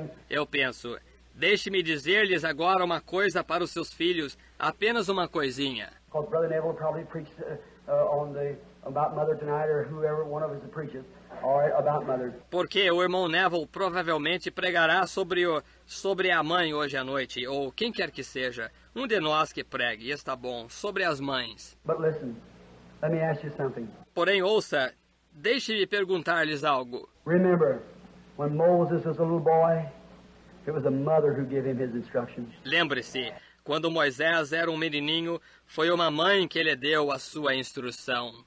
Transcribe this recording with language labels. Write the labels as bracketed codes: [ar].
[pt] Eu penso, deixe-me dizer-lhes agora uma coisa para os seus filhos, apenas uma coisinha. [en] Brother Neville will probably preach on the about mother tonight, or whoever one of us preaches. [pt] Porque o irmão Neville provavelmente pregará sobre a mãe hoje à noite, ou quem quer que seja, um de nós que pregue, está bom, sobre as mães. [en] But listen, let me ask you something. [pt] Porém, ouça, deixe-me perguntar-lhes algo. [en] Remember, when Moses was a little boy, it was the mother who gave him his instructions. [pt] Lembre-se, quando Moisés era um menininho, foi uma mãe que lhe deu a sua instrução.